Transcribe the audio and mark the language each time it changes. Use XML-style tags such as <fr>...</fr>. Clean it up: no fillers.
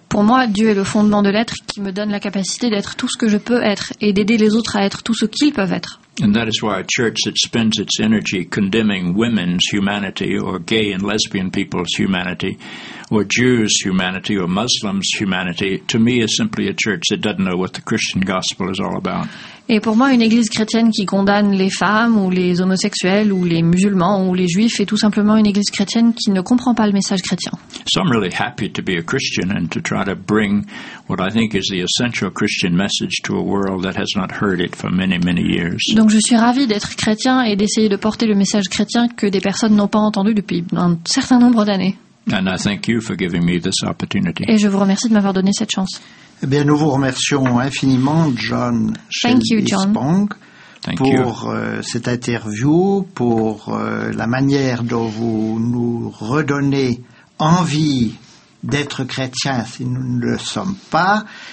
<fr>Pour moi, Dieu est le fondement de l'être qui me donne la capacité d'être tout ce que je peux être et d'aider les autres à être tout ce qu'ils peuvent être.</fr> <en>And that is why a church that spends its energy condemning women's humanity or gay and lesbian people's humanity or Jews' humanity or Muslims' humanity, to me, is simply a church that doesn't know what the Christian gospel is all about.</en> <fr>Et pour moi, une église chrétienne qui condamne les femmes ou les homosexuels ou les musulmans ou les juifs est tout simplement une église chrétienne qui ne comprend pas le message chrétien.</fr> <en>So I'm really happy to be a Christian and to try to bring what I think is the essential Christian message to a world that has not heard it for many, many years.</en> <fr>Donc je suis ravie d'être chrétien et d'essayer de porter le message chrétien que des personnes n'ont pas entendu depuis un certain nombre d'années.</fr> <en>And I thank you for giving me this opportunity.</en> <fr>Et je vous remercie de m'avoir donné cette chance. Eh bien, nous vous remercions infiniment, John Schelde-Spong, pour cette interview, pour la manière dont vous nous redonnez envie d'être chrétien si nous ne le sommes pas.</fr>